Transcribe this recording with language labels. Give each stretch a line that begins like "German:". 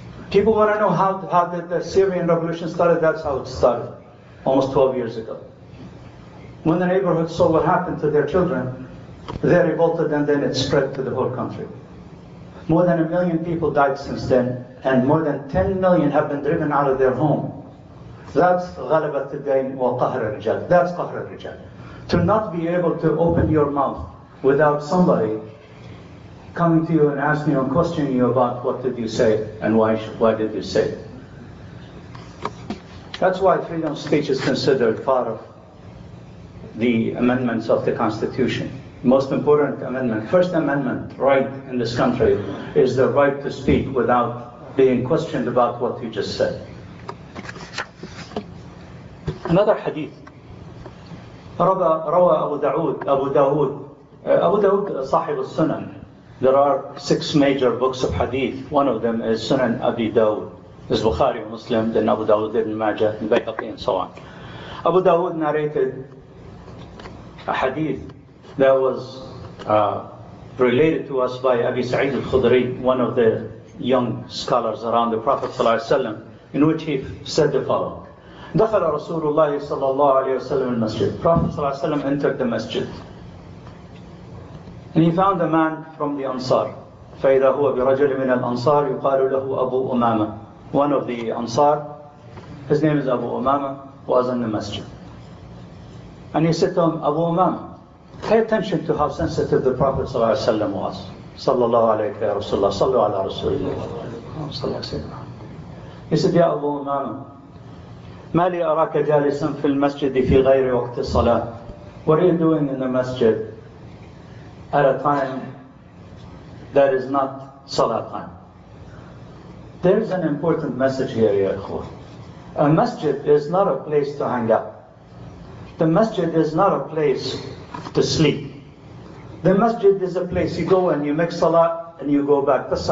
English: People want to know how did the Syrian revolution started. That's how it started, almost 12 years ago. When the neighborhood saw what happened to their children, they revolted, and then it spread to the whole country. More than 1 million people died since then, and more than 10 million have been driven out of their home. That's
Arabic: غَلَبَتِ الدَّيْنِ وَقَهْرَ الرِّجَالِ. That's قَهْرَ الرِّجَالِ.
English: To not be able to open your mouth without somebody coming to you and asking you and questioning you about what did you say and why did you say it. That's why freedom of speech is considered part of the amendments of the Constitution. Most important amendment, First Amendment right in this country, is the right to speak without being questioned about what you just said. Another hadith
Arabic: روى أبو داود صاحب السنن.
English: There are six major books of hadith. One of them is Sunan Abi Dawud. It's Bukhari, Muslim, then Abu Dawud, then Majah, then Bayhaqi, and so on. Abu Dawud narrated a hadith that was related to us by Abi Sa'id al-Khudri, one of the young scholars around the Prophet صلى الله عليه وسلم, in which he said the following.
Arabic: دخل رسول الله صلى الله عليه وسلم المسجد.
English: Prophet صلى الله عليه وسلم entered the masjid. And he found a man from the Ansar.
Arabic: فَإِذَا هُوَ بِرَجُلٍ مِنَ الْأَنصَارِ يُقَالُ لَهُ أَبُو أُمَامَةَ.
English: One of the Ansar, his name is Abu Umama, was in the masjid. And he said to him, Abu Umama, pay attention to how sensitive the Prophet صلى الله عليه وسلم was.
Arabic: صلى الله عليه يا رسول الله صلوا على رسول الله صلى الله عليه وسلم.
English: He said,
Arabic: يا أبو أمامة ما لي أراك جالسا في المسجد في غير وقت الصلاة.
English: What are you doing in the masjid at a time that is not salah time? There is an important message here,
Arabic: يا أخوة.
English: A masjid is not a place to hang out. The masjid is not a place to sleep. The masjid is a place you go and you make salah and you go back.